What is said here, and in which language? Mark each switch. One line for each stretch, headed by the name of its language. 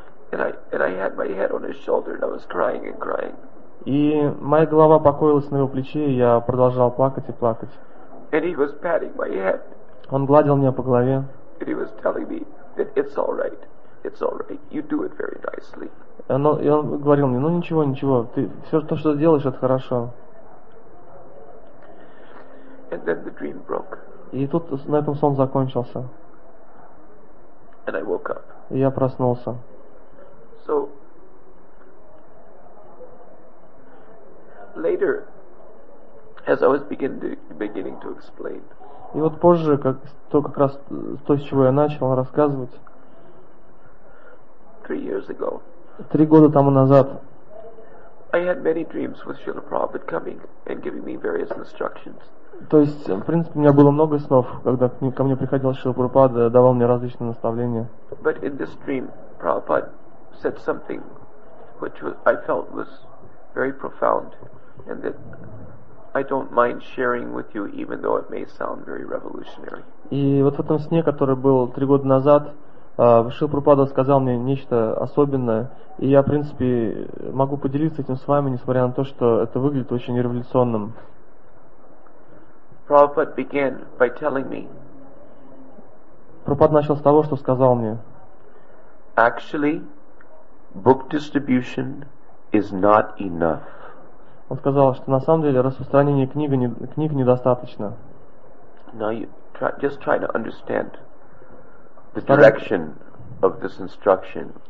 English: And I had my head on his shoulder and I was crying.
Russian: И моя голова покоилась на его плече, и я продолжал плакать и плакать.
English: And he was patting my head.
Russian: Он гладил меня по голове.
English: And he was telling me that it's all right. It's all right. You do it very nicely.
Russian: И он говорил мне: ничего. Ты все то, что делаешь, это хорошо.
English: And then the dream broke.
Russian: И тут на этом сон закончился.
English: And I woke up.
Russian: И я проснулся.
English: So later, as I was beginning to explain.
Russian: И вот позже, как раз то, с чего я начал рассказывать.
English: 3 years ago.
Russian: 3 года тому назад.
English: I had many dreams with Srila Prabhupada coming and giving me various instructions.
Russian: То есть, в принципе, у меня было много снов, когда ко мне приходил Шрила Прабхупада, давал мне различные наставления.
English: But in this dream, Prabhupada said something which I felt was very profound, and that I don't mind sharing with you, even though it may sound very revolutionary.
Russian: И вот в этом сне, который был 3 года назад, Шрила Прабхупада сказал мне нечто особенное, и я, в принципе, могу поделиться этим с вами, несмотря на то, что это выглядит очень революционным.
English: Prabhupada began by telling me.
Russian: Прабхупада начал с того, что сказал мне.
English: Actually, book distribution is not enough.
Russian: Он сказал, что на самом деле распространение книг недостаточно.
English: Now you just try to understand the direction of this instruction.